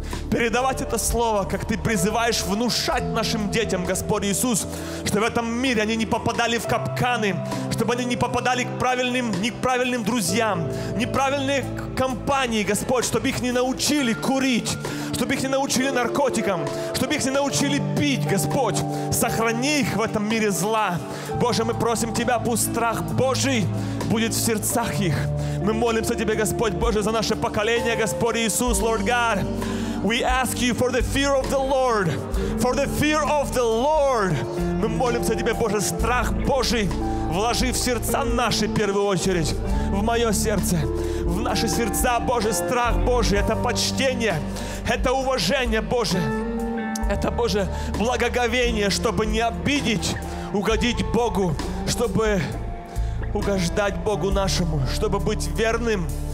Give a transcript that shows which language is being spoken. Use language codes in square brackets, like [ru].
[ru] Передавать это слово, как Ты призываешь внушать нашим детям, Господь Иисус, чтобы в этом мире они не попадали в капканы, чтобы они не попадали к правильным, неправильным друзьям, неправильной компании, Господь, чтобы их не научили курить, чтобы их не научили наркотикам, чтобы их не научили пить, Господь. Сохрани их в этом мире зла. Боже, мы просим Тебя, пусть страх Божий будет в сердцах их. Мы молимся Тебе, Господь Боже, за наше поколение, Господь Иисус, [en] Lord God. We ask You for the fear of the Lord. For the fear of the Lord. [ru] Мы молимся Тебе, Боже, страх Божий вложи в сердца наши, в первую очередь, в мое сердце, в наши сердца, Боже, страх Божий. Это почтение, это уважение, Боже. Это, Боже, благоговение, чтобы не обидеть, угодить Богу, чтобы угождать Богу нашему, чтобы быть верным.